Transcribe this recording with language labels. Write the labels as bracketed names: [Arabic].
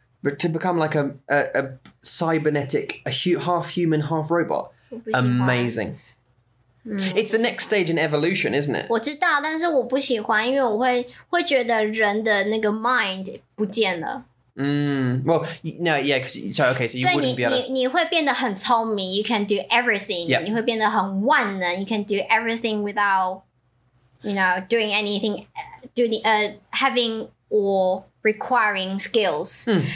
[English] But to become like a cybernetic, half human, half robot. Amazing. It's the next stage in evolution, isn't it? [Chinese] 我知道,但是我不喜欢,因为我会觉得人的那个 mind 不见了. [English] Well, no, yeah, because so you wouldn't be able to... [Chinese] 你会变得很聪明, [English] you can do everything. Yep. [Chinese] 你会变得很万能, [English] you can do everything without, you know, doing anything, having or requiring skills.